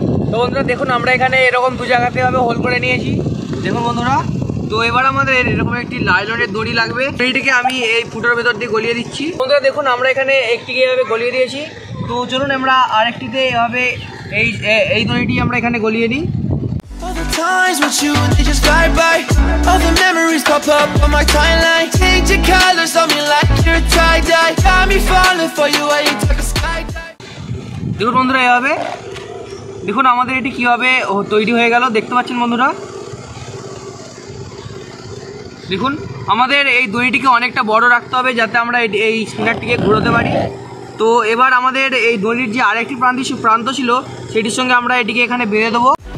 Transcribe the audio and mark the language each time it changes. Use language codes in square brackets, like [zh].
[bn] তো বন্ধুরা দেখুন, আমরা এখানে এরকম দু জায়গাতে ভাবে হোল করে নিয়েছি, দেখুন বন্ধুরা। তো এবার আমাদের এরকম একটি লাইলনের দড়ি লাগবে, এইটিকে আমি এই ফুটোর ভেতর দিয়ে গলিয়ে দিচ্ছি। বন্ধুরা দেখুন, আমরা এখানে একটিকে এভাবে গলিয়ে দিয়েছি। তো চলুন আমরা আরেকটিতে এভাবে এই এই দড়িটি আমরা এখানে গলিয়ে নিই। [en] Times with you, they just fly by. All the memories pop up on my timeline. Change your colors on me like you're tie-dye. Got me falling for you while you talk a skydive. [bn] দেখুন বন্ধুরা এভাবে, দেখুন আমাদের এটি কিভাবে তৈরি হয়ে গেল দেখতে পাচ্ছেন বন্ধুরা। দেখুন আমাদের এই দড়িটিকে অনেকটা বড় রাখতে হবে যাতে আমরা এই স্পিনারটিকে ঘুরোতে পারি। তো এবার আমাদের এই দড়ির যে আরেকটি প্রান্ত ছিল সেটির সঙ্গে আমরা এটিকে এখানে বেঁধে দেবো।